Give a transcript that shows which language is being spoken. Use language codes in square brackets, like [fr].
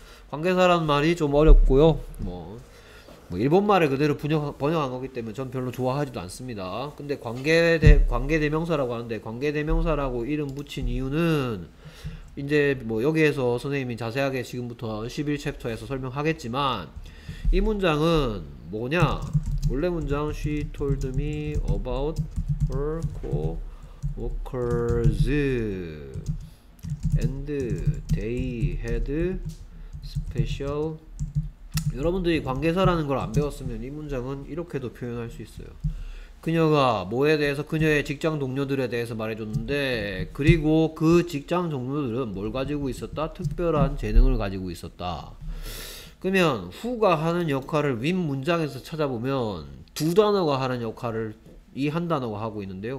[ko] 관계사라는 말이 좀 어렵고요. 뭐 일본 말을 그대로 번역한 거기 때문에 전 별로 좋아하지도 않습니다. 근데 관계대명사라고 하는데, 관계대명사라고 이름 붙인 이유는 이제 뭐 여기에서 선생님이 자세하게 지금부터 11챕터에서 설명하겠지만, 이 문장은 뭐냐? 원래 문장 [en] she told me about her co-workers and they had special. [ko] 여러분들이 관계사라는 걸안 배웠으면 이 문장은 이렇게도 표현할 수 있어요. 그녀가 뭐에 대해서, 그녀의 직장 동료들에 대해서 말해줬는데, 그리고 그 직장 동료들은 뭘 가지고 있었다? 특별한 재능을 가지고 있었다. 그러면 후가 하는 역할을 윗 문장에서 찾아보면 두 단어가 하는 역할을 이한 단어가 하고 있는데요.